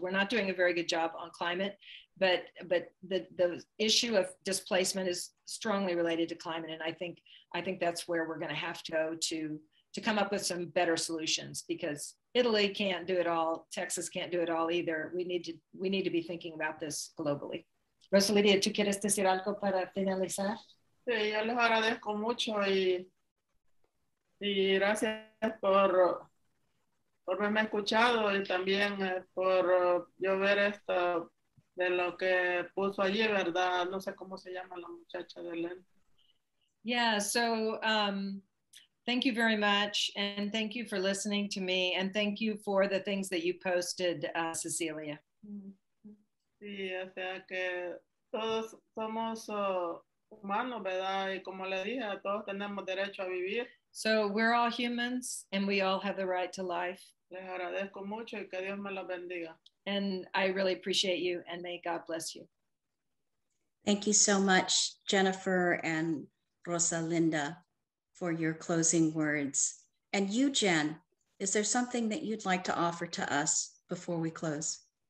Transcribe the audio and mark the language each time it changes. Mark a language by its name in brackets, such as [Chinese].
[English] We're not doing a very good job on climate, but the issue of displacement is strongly related to climate, and I think that's where we're going to have to go to come up with some better solutions, because Italy can't do it all, Texas can't do it all either. We need to be thinking about this globally. [Spanish] Rosalía, ¿tú quieres decir algo para finalizar? Sí, yo les agradezco mucho y gracias por haberme escuchado y también por yo ver esto de lo que puso allí, ¿verdad? No sé cómo se llama la muchacha de lente. [English] Yeah, so thank you very much, and thank you for listening to me, and thank you for the things that you posted, Cecilia. [Spanish] Sí, o sea que todos somos humanos, ¿verdad? Y como le dije, todos tenemos derecho a vivir. [English] So we're all humans and we all have the right to life. [Spanish] Les agradezco mucho y que Dios me los bendiga. [English] And I really appreciate you and may God bless you. Thank you so much, Jennifer and Rosalinda, for your closing words. And you, Jen, is there something that you'd like to offer to us before we close?